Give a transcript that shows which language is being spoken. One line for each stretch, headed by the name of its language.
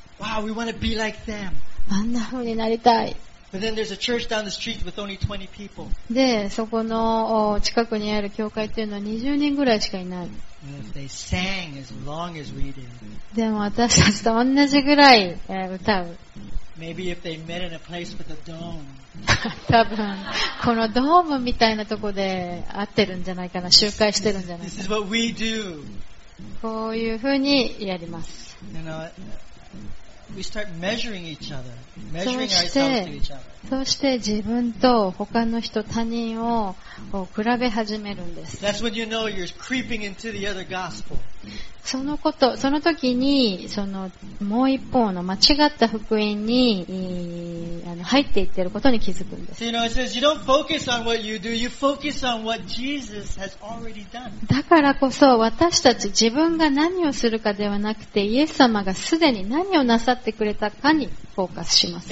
English: Wow, we want to be like them.
Japanese: あんな風になりたい。
English: But then there's a church down the street with only 20 people.
Japanese: で、そこの近くにある教会っていうのは20人ぐらいしかいない。
English: If they sang as long as we do.
Japanese: でも私たちと同じぐらい歌う。
English: Maybe if they met in a place with a dome.
Japanese: 多分このドームみたいなとこで会ってるんじゃないかな、集会してるんじゃないかな。
English: This is what we do.
Japanese: こういうふうにやります。
English: You know,We start measuring each other, measuring ourselves to each other.
Japanese: そして自分と他の人、他人を比べ始めるんです。
English: That's when you know you're creeping into the other gospel.
Japanese: そのこと、その時にそのもう一方の間違った福音に入っていってることに気づくんです。
English: So, you know, it says you don't focus on what you do, you focus on what Jesus has already done.
Japanese: だからこそ私たち自分が何をするかではなくて、イエス様がすでに何をなさってくれたかにフォーカスします。